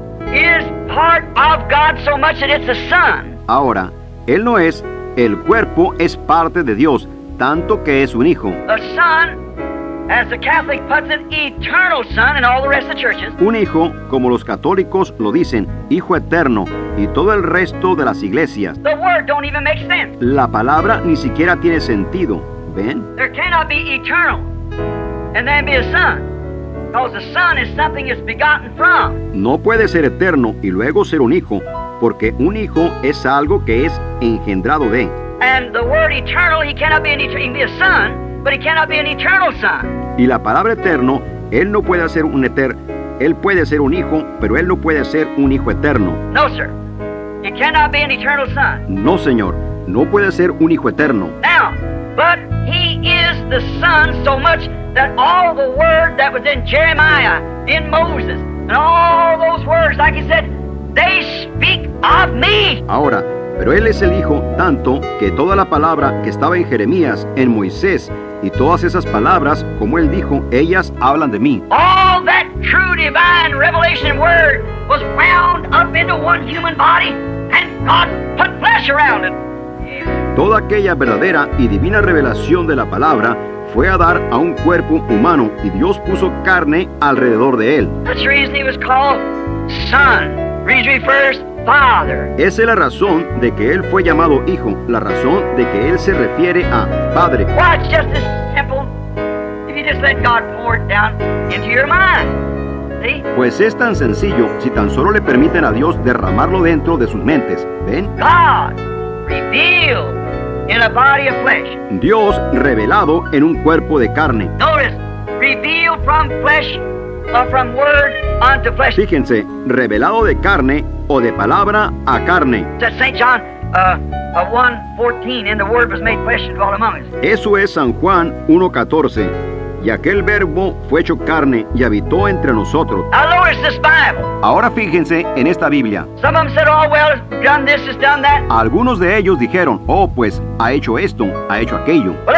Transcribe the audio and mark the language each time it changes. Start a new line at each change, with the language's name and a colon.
English: He is part of God so much that it's a son.
Spanish: Ahora, él no es, el cuerpo es parte de Dios, tanto que es un hijo.
English: A son, as the Catholic puts it, eternal son in all the rest of the churches.
Spanish: Un hijo, como los católicos lo dicen, hijo eterno, y todo el resto de las iglesias.
English: The word don't even make sense.
Spanish: La palabra ni siquiera tiene sentido. ¿Ven?
English: There cannot be eternal and then be a son. Because a son is something it's begotten from.
Spanish: No puede ser eterno y luego ser un hijo, porque un hijo es algo que es engendrado de.
English: And the word eternal, he cannot be an eternal, he can be a son, but he cannot be an eternal son.
Spanish: Y la palabra eterno, él no puede ser un eterno. Él puede ser un hijo, pero él no puede ser un hijo eterno.
English: No, sir. He cannot be an eternal son.
Spanish: No, señor. No puede ser un hijo eterno.
English: Now, but he is the son so much that all the word that was in Jeremiah, in Moses, and all those words, like he said, they speak of me.
Spanish: Ahora, pero él es el hijo tanto que toda la palabra que estaba en Jeremías, en Moisés, y todas esas palabras, como él dijo, ellas hablan de mí.
English: All that true divine revelation word was wound up into one human body and God put flesh around it.
Spanish: Toda aquella verdadera y divina revelación de la palabra fue a dar a un cuerpo humano y Dios puso carne alrededor de él.
English: That's the reason he was called son. Read me first. Father.
Spanish: Esa es la razón de que él fue llamado hijo, la razón de que él se refiere a padre.
English: Watch just this temple. If you just let God pour it down into your mind. See?
Spanish: Pues es tan sencillo si tan solo le permiten a Dios derramarlo dentro de sus mentes. ¿Ven?
English: God revealed in a body of flesh.
Spanish: Dios revelado en un cuerpo de carne.
English: Notice, revealed from flesh or from word unto flesh.
Spanish: Fíjense, revelado de carne o de palabra a carne.
English: St. John 1:14, and the word was made flesh and dwelt among us.
Spanish: Eso es San Juan 1:14. y aquel verbo fue hecho carne y habitó entre nosotros.
English: Now notice this Bible.
Spanish: Ahora fíjense en esta Biblia.
English: Some of them said, oh, well, done this, done that.
Spanish: Algunos de ellos dijeron, oh, pues, ha hecho esto, ha hecho aquello.